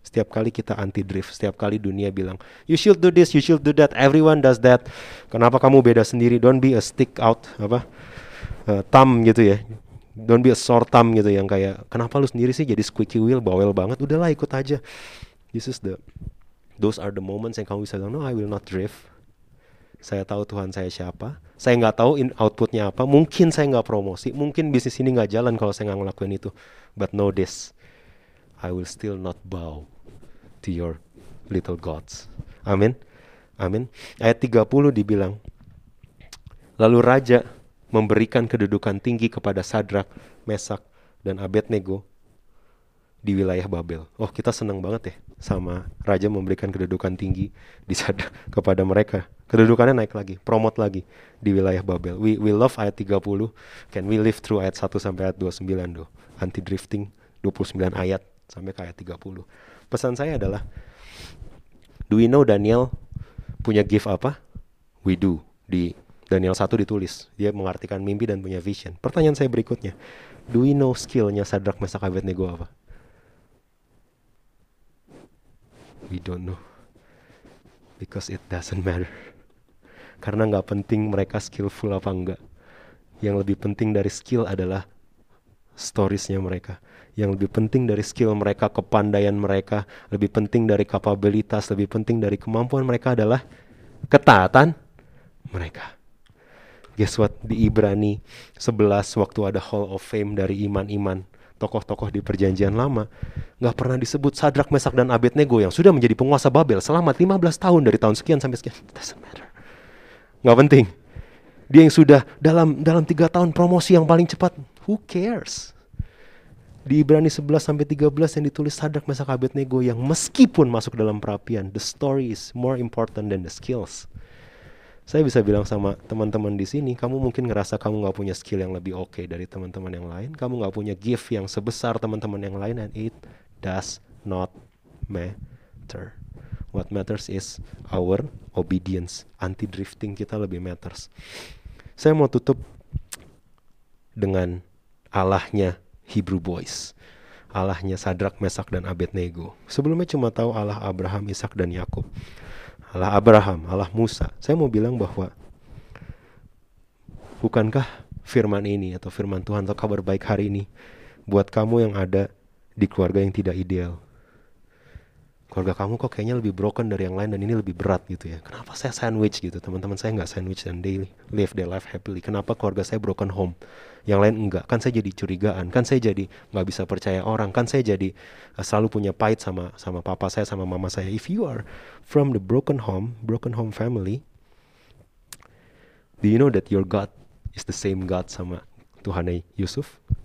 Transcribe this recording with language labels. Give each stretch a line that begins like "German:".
Indonesian: Setiap kali kita anti-drift, setiap kali dunia bilang,
English: you should do this, you should do that, everyone does that,
Indonesian: kenapa kamu beda sendiri,
English: don't be a stick out, thumb
Indonesian: gitu ya,
English: don't be a sore thumb
Indonesian: gitu, yang kayak, kenapa lu sendiri sih jadi
English: squeaky wheel,
Indonesian: bawel banget, udahlah ikut aja.
English: This is the, those are the moments
Indonesian: yang kamu bisa bilang,
English: no, I will not drift.
Indonesian: Saya tahu Tuhan saya siapa. Saya nggak tahu outputnya apa. Mungkin saya nggak promosi. Mungkin bisnis ini nggak jalan kalau saya nggak ngelakuin itu.
English: But know this, I will still not bow to your little gods.
Indonesian: Amin. Amin. Ayat 30 dibilang, lalu raja memberikan kedudukan tinggi kepada Shadrach, Meshach, dan Abednego di wilayah Babel. Oh, kita senang banget ya sama raja memberikan kedudukan tinggi di Shadrach kepada mereka. Kedudukannya naik lagi, promote lagi di wilayah Babel.
English: We love
Indonesian: ayat 30.
English: Can we live through
Indonesian: ayat 1 sampai ayat 29 do? Anti drifting 29 ayat sampai ke ayat 30. Pesan saya adalah,
English: do we know
Indonesian: Daniel punya gift apa?
English: We do.
Indonesian: Di Daniel 1 ditulis, dia mengartikan mimpi dan punya vision. Pertanyaan saya berikutnya,
English: do we know
Indonesian: skillnya Shadrach, Meshach, Abednego apa?
English: We don't know, because it doesn't matter.
Indonesian: Karena gak penting mereka skillful apa enggak. Yang lebih penting dari skill adalah storiesnya mereka. Yang lebih penting dari skill mereka, kepandaian mereka, lebih penting dari kapabilitas, lebih penting dari kemampuan mereka adalah ketaatan mereka.
English: Guess what?
Indonesian: Di Ibrani 11 waktu ada Hall of Fame dari iman-iman, tokoh-tokoh di perjanjian lama, gak pernah disebut Shadrach, Meshach, dan Abednego yang sudah menjadi penguasa Babel selama 15 tahun dari tahun sekian sampai sekian.
English: It doesn't matter.
Indonesian: Gak penting. Dia yang sudah dalam 3 tahun promosi yang paling cepat.
English: Who cares?
Indonesian: Di Ibrani 11-13 yang ditulis Shadrach, Meshach, Abednego yang meskipun masuk dalam perapian,
English: the story is more important than the skills.
Indonesian: Saya bisa bilang sama teman-teman di sini, kamu mungkin ngerasa kamu gak punya skill yang lebih oke dari teman-teman yang lain. Kamu gak punya gift yang sebesar teman-teman yang lain.
English: And it does not matter. What matters is our obedience.
Indonesian: Anti-drifting kita lebih matters. Saya mau tutup dengan Allahnya Hebrew Boys. Allahnya Shadrach, Meshach, dan Abednego. Sebelumnya cuma tahu Allah Abraham, Ishak, dan Yakub. Allah Abraham, Allah Musa. Saya mau bilang bahwa bukankah firman ini atau firman Tuhan atau kabar baik hari ini buat kamu yang ada di keluarga yang tidak ideal. Keluarga kamu kok kayaknya lebih broken dari yang lain dan ini lebih berat gitu ya. Kenapa saya sandwich gitu? Teman-teman saya gak sandwich dan
English: they live their life happily.
Indonesian: Kenapa keluarga saya broken home? Yang lain enggak. Kan saya jadi curigaan. Kan saya jadi gak bisa percaya orang. Kan saya jadi selalu punya pahit sama papa saya, sama mama saya.
English: If you are from the broken home family, do you know that your God is the same God
Indonesian: sama Tuhan Yusuf?